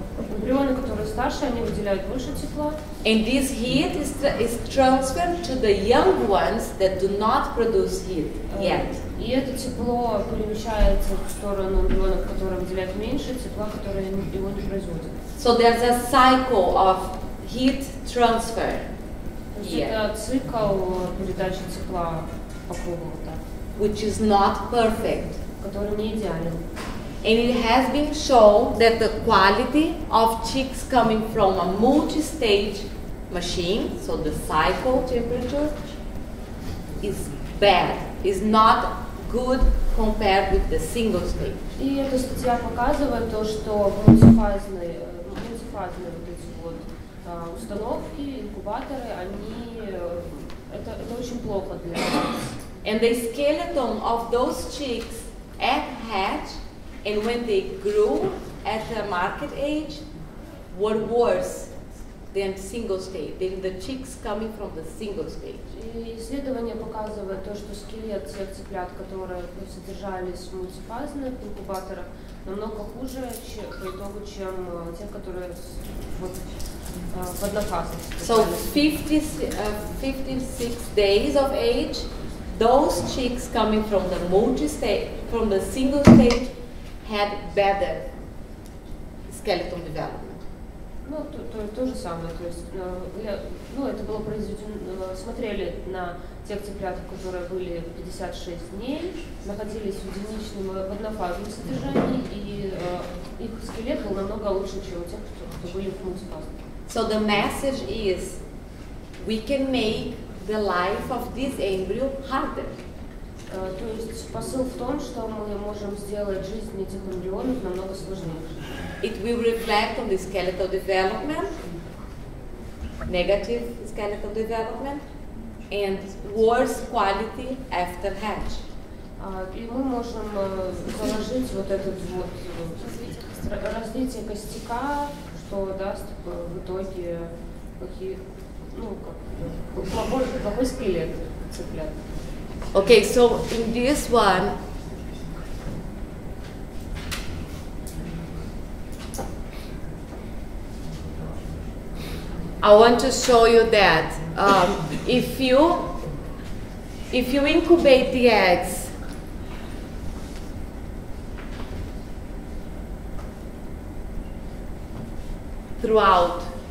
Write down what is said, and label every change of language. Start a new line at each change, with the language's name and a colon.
Russian: Эмбрионы, которые старше, они выделяют больше тепла.
English: And this heat is transferred to the young ones that do not produce heat yet.
Russian: И это тепло перемещается в сторону эмбрионов, которые выделяют меньше тепла, которые его не производят.
English: So there's a cycle of heat transfer.
Russian: Это цикл передачи тепла по кругу, да.
English: Which is not perfect.
Russian: Который не идеален.
English: And it has been shown that the quality of chicks coming from a multi-stage machine, so the cycle temperature, is bad, is not good compared with the single stage.
Russian: И эта статья показывает то, что мультифазные вот эти вот установки, инкубаторы, они это очень плохо для нас.
English: And the skeleton of those chicks at hatch and when they grew at the market age, were worse than single stage, than the chicks coming from the single stage.
Russian: Исследование показывает то, что скелет всех цыплят, которые содержались в мультифазных инкубаторах, намного хуже по итогу, чем те, которые в однофазных.
English: So 56 days of age, those chicks coming from the multi-stage, from the single stage, had better skeleton development.
Russian: Ну, то же самое, то есть, это было произведено, смотрели на тех цыплят, которые были 56 дней, находились в единичном, в однофазном содержании, и их скелет был намного лучше, чем у тех, кто были в мультифазном.
English: So the message is, we can make the life of this embryo harder.
Russian: То есть посыл в том, что мы можем сделать жизнь этих эмбрионов намного сложнее.
English: It will reflect on the skeletal development, negative skeletal development, and worse quality after hatch.
Russian: И мы можем заложить вот этот вот развитие костяка, что даст в итоге какие, ну, как, какой скелет цыплят.
English: Okay, so in this one, I want to show you that if you incubate the eggs throughout.